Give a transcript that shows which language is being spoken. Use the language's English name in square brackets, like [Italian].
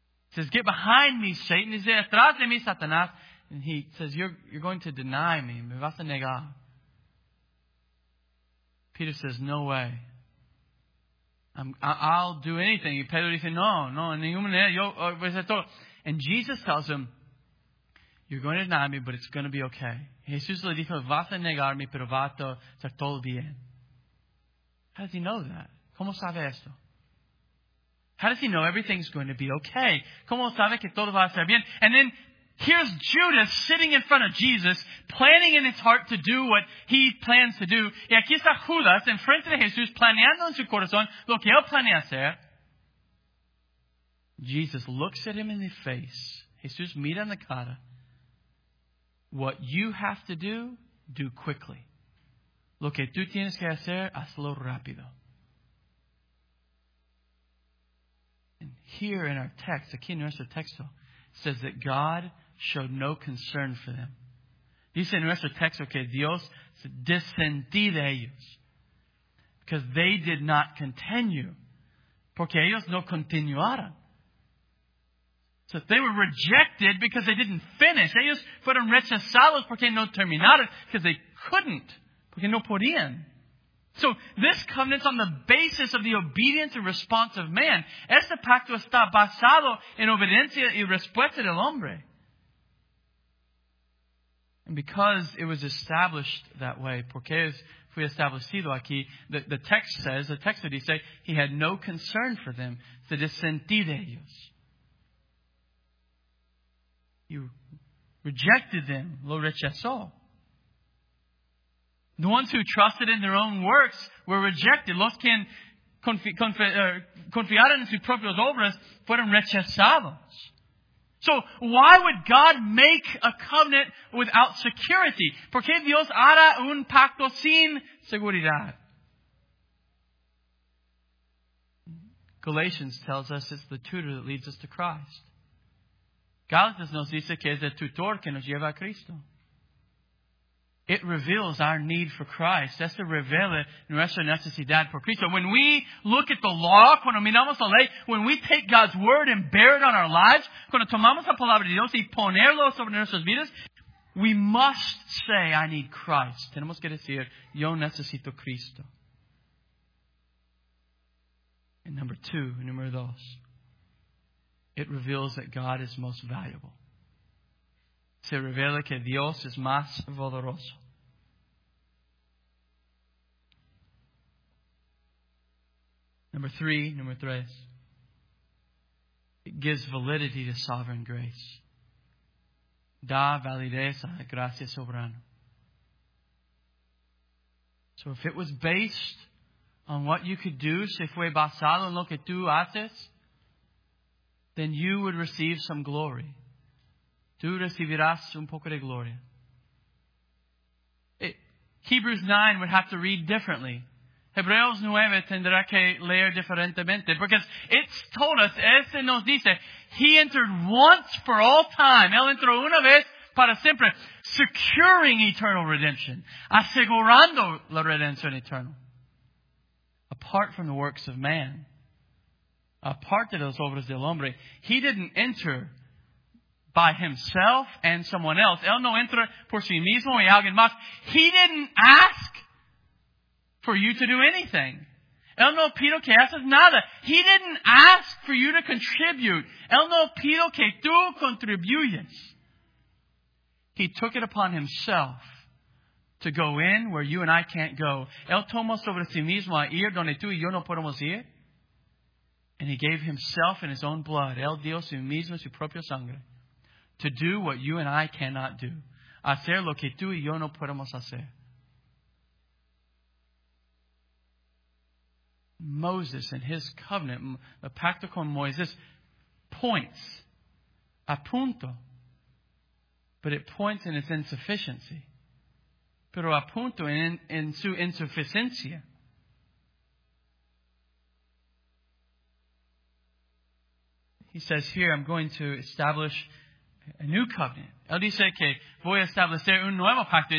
[English] He says, get behind me, Satan. He says, [Spanish] atrás de mí, Satanás. [English] And he says, you're going to deny me. [Spanish] Me vas a negar. [English] Peter says, no way. I'll do anything. [Spanish] Y Pedro dice, no, en ninguna manera. Yo voy a hacer todo. [English] And Jesus tells him, you're going to deny me, but it's going to be okay. [Spanish] Jesús le dijo, vas a negarme, pero va a estar todo bien. [English] How does he know that? [Spanish] ¿Cómo sabe esto? [English] How does he know everything's going to be okay? [Spanish] ¿Cómo sabe que todo va a estar bien? [English] And then here's Judas sitting in front of Jesus, planning in his heart to do what he plans to do. [Spanish] Y aquí está Judas en frente de Jesús, planeando en su corazón lo que él planea hacer. [English] Jesus looks at him in the face. [Spanish] Jesús mira en la cara. [English] What you have to do, do quickly. [Spanish] Lo que tú tienes que hacer, hazlo rápido. [English] And here in our text, [Spanish] aquí en nuestro texto, [English] says that God showed no concern for them. [Spanish] Dice en nuestro texto que Dios se desentí de ellos. [English] Because they did not continue. [Spanish] Porque ellos no continuaron. [English] So they were rejected because they didn't finish. [Spanish] Ellos fueron rechazados porque no terminaron. [English] Because they couldn't. [Spanish] Porque no podían. [English] So this covenant is on the basis of the obedience and response of man. [Spanish] Este pacto está basado en obediencia y respuesta del hombre. [English] And because it was established that way, [Spanish] porque fue establecido aquí, [English] the text says, the text that he said, he had no concern for them, [Spanish] se desentí de ellos. [English] He rejected them, [Spanish] lo rechazó. [English] The ones who trusted in their own works were rejected. [Spanish] Los que confiaron en sus propias obras fueron rechazados. [English] So why would God make a covenant without security? [Spanish] ¿Por qué Dios hará un pacto sin seguridad? [English] Galatians tells us it's the tutor that leads us to Christ. [Spanish] Gálatas nos dice que es el tutor que nos lleva a Cristo. [English] It reveals our need for Christ. [Spanish] Eso revela nuestra necesidad por Cristo. [English] When we look at the law, [Spanish] cuando miramos la ley, [English] when we take God's word and bear it on our lives, [Spanish] cuando tomamos la palabra de Dios y ponerlo sobre nuestras vidas, [English] we must say, I need Christ. [Spanish] Tenemos que decir, yo necesito Cristo. [English] And number two, [Spanish] número dos, [English] it reveals that God is most valuable. [Spanish] Se revela que Dios es más valoroso. [English] Number three. It gives validity to sovereign grace. [Spanish] Da validez a la gracia soberana. [English] So if it was based on what you could do, [Spanish] si fue basado en lo que tú haces, [English] then you would receive some glory. [Spanish] Tú recibirás un poco de gloria. [English] Hebrews 9 would have to read differently. [Spanish] Hebreos 9 tendrá que leer diferentemente. [English] Because it's told us, [Spanish] ese nos dice, [English] he entered once for all time. [Spanish] Él entró una vez para siempre, [English] securing eternal redemption, [Spanish] asegurando la redención eterna. [English] Apart from the works of man, [Spanish] apart de las obras del hombre, [English] he didn't enter by himself and someone else. [Spanish] Él no entra por sí mismo y alguien más. [English] He didn't ask for you to do anything. [Spanish] Él no pido que haces nada. [English] He didn't ask for you to contribute. [Spanish] Él no pido que tú contribuyes. [English] He took it upon himself to go in where you and I can't go. [Spanish] Él tomó sobre sí mismo a ir donde tú y yo no podemos ir. [English] And he gave himself in his own blood. [Spanish] Él dio sí mismo su propia sangre. [English] To do what you and I cannot do. [Spanish] Hacer lo que tú y yo no podemos hacer. [English] Moses and his covenant, the [Spanish] pacto con Moisés, [English] points, [Spanish] apunto, [English] but it points in its insufficiency. [Spanish] Pero apunto en su insuficiencia. [English] He says here, I'm going to establish a new covenant. [Spanish] Él dice que voy a establecer un nuevo pacto.